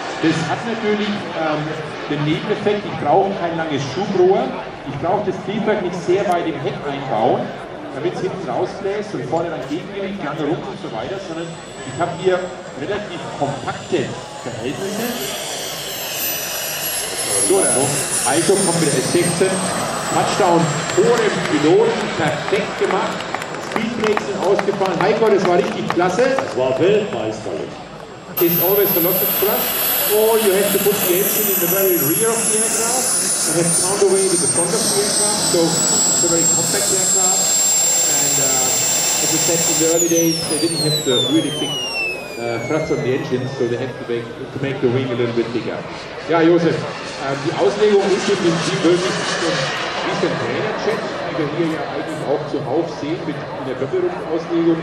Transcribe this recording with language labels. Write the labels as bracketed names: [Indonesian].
[German] Das hat natürlich den Nebeneffekt, ich brauche kein langes Schubrohr, ich brauche das Triebwerk nicht sehr weit im Heck einbauen, damit es hinten rausbläst und vorne dann gegengewinnt, lange Rumpf und so weiter, sondern ich habe hier relativ kompakte Verhältnisse. So, also kommt mit der S16, Touchdown vor dem Piloten, perfekt gemacht, Speedbrakes sind ausgefahren, Heiko, das war richtig klasse. Das war weltmeisterlich. [English] is always a lot of thrust. Or you have to put the engine in the very rear of the aircraft and have sound away with the front of the aircraft. So it's a very compact aircraft. And as we said in the early days, they didn't have the really big thrust on the engine, so they had to make the wing a little bit bigger. [German] Yeah, Josef, die Auslegung ist im Prinzip wirklich schon wie ein Trainerjet, wie wir hier ja eigentlich auch zuhauf sehen mit in der Doppelrumpfauslegung.